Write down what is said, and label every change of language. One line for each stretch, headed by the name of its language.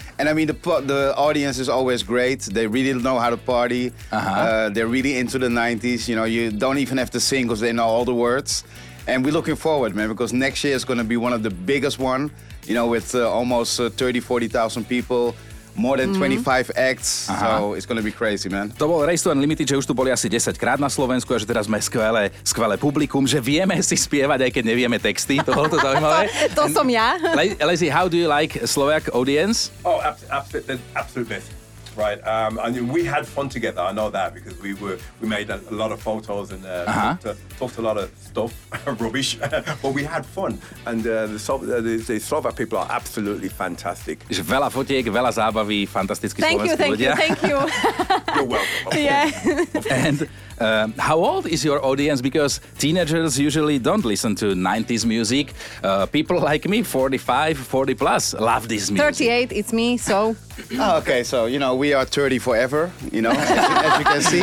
English: And I mean, the audience is always great. They really know how to party. They're really into the 90s. You know, you don't even have to sing because they know all the words. And we're looking forward, man, because next year is going to be one of the biggest one, you know, with almost 30,000-40,000 people. More than 25 acts, so it's gonna be crazy, man.
Slovak: To bol Race to Unlimited, že už tu boli asi 10 krát na Slovensku a že teraz sme skvelé, skvelé publikum, že vieme si spievať, aj keď nevieme texty. To bolo to zaujímavé. To som ja.
English: Lazy, how do you like Slovak audience? Oh, absolute best. Right. I mean, we had fun together, I know that, because we made a lot of photos and talked a lot of stuff, rubbish, but we had fun. And the Slovak people are absolutely fantastic.
Slovak: Veľa fotiek, veľa zábavy, fantastický slovenský ľudia.
English: Thank you. You're welcome. Yeah. And how old is your audience? Because teenagers usually don't listen to 90s music. People like me, 45, 40 plus, love this music. 38, it's me, so... Oh, okay, so, you know, we are 30 forever, you know, as you can see.